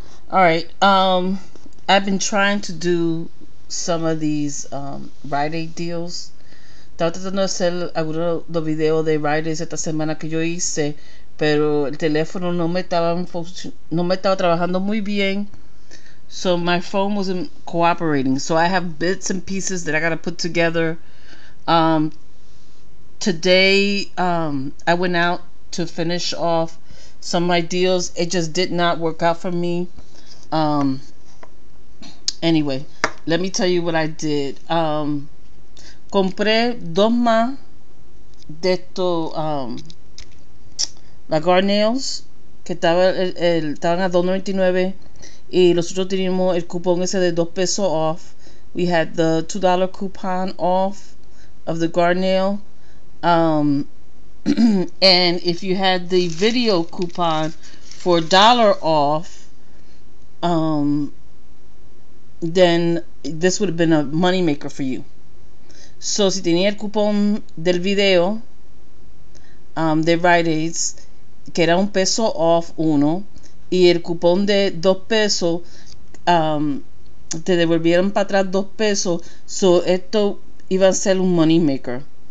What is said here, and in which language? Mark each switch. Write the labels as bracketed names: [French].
[English] Alright, I've been trying to do some of these Rite Aid deals. [Spanish] Estaba tratando de hacer algunos de los videos de Rite Aid esta semana que yo hice, pero el teléfono no me estaba trabajando muy bien. [English] So my phone wasn't cooperating. So I have bits and pieces that I gotta put together. Today, I went out to finish off some of my deals. It just did not work out for me. Anyway, let me tell you what I did. [Spanish] Compré dos más de esto, la Garnails, que estaban a $2.99, y nosotros teníamos el cupón ese de $2 off. [English] We had the $2 coupon off of the Garnail. And if you had the video coupon for $1 off, then this would have been a money maker for you. [Spanish] So si tenía el cupón del video, de Rite Aid, que era $1 off uno, y el cupón de $2, te devolvieron para atrás $2, so esto iba a ser un money maker.